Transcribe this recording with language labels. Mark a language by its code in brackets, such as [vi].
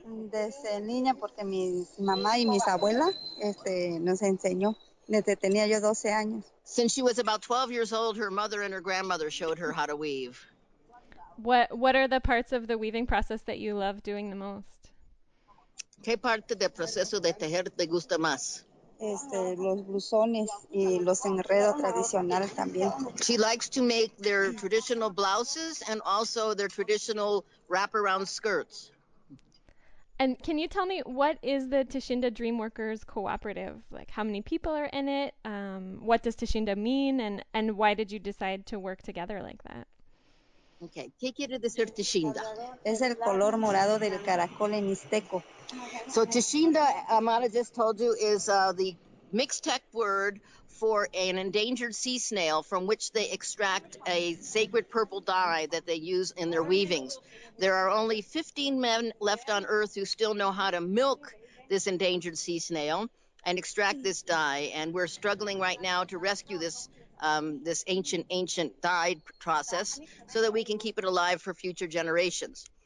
[es] Desde niña, porque mi mamá y mis abuelas nos enseñó. Desde tenía yo 12 años. [en] Since she was about 12 years old, her mother and her grandmother showed her how to weave. What are the parts of the weaving process that you love doing the most? [es] ¿Qué parte del proceso de tejer te gusta más? Los blusones y los enredos tradicionales también. [en] She likes to make their traditional blouses and also their traditional wraparound skirts. And can you tell me, what is the Tishinda Dreamworkers Cooperative? Like, how many people are in it? What does Tishinda mean? And why did you decide to work together like that? [es] Okay, ¿qué quiere decir Tishinda? Es el color morado del caracol en mixteco. [en] So Tishinda, Amara just told you, is the Mixtec word for an endangered sea snail from which they extract a sacred purple dye that they use in their weavings. There are only 15 men left on Earth who still know how to milk this endangered sea snail and extract this dye, and we're struggling right now to rescue this this ancient dyed process so that we can keep it alive for future generations.